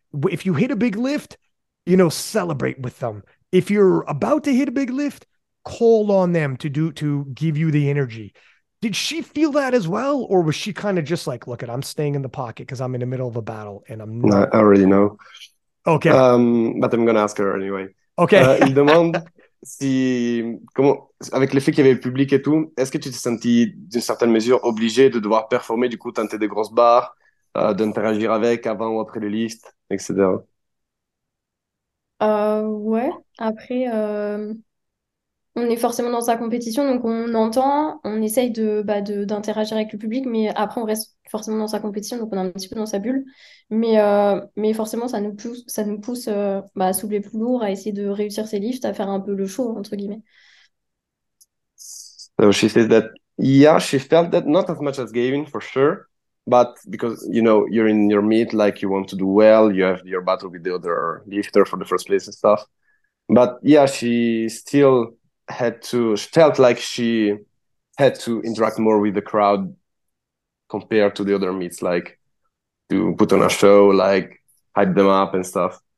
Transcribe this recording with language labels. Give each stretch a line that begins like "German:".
English: If you hit a big lift, you know, celebrate with them. If you're about to hit a big lift, call on them to give you the energy. Did she feel that as well? Or was she kind of just like, look it, I'm staying in the pocket because I'm in the middle of a battle and I'm I not. already know, Okay. but I'm gonna ask her anyway. Okay.
French: Il demande si, comment, avec le fait qu'il y avait public et tout, est-ce que tu t'es senti d'une certaine mesure obligé de devoir performer, du coup tenter des grosses barres, d'interagir avec avant ou après les listes, etc. Ouais, après, on est forcément dans sa compétition, donc on entend, on essaye d'interagir avec le public, mais après, on reste forcément dans sa compétition, donc on est un petit peu dans sa bulle. Mais forcément, ça nous pousse à soulever plus lourd, à essayer de réussir ses lifts, à faire un peu le show, entre guillemets.
English: So she says that, yeah, she felt that, not as much as Gavin for sure, but because, you know, you're in your meet, like you want to do well, you have your battle with the other lifter for the first place and stuff. But yeah, she still had to, she felt like she had to interact more with the crowd compared to the other meets, like to put on a show, like hype them up and stuff.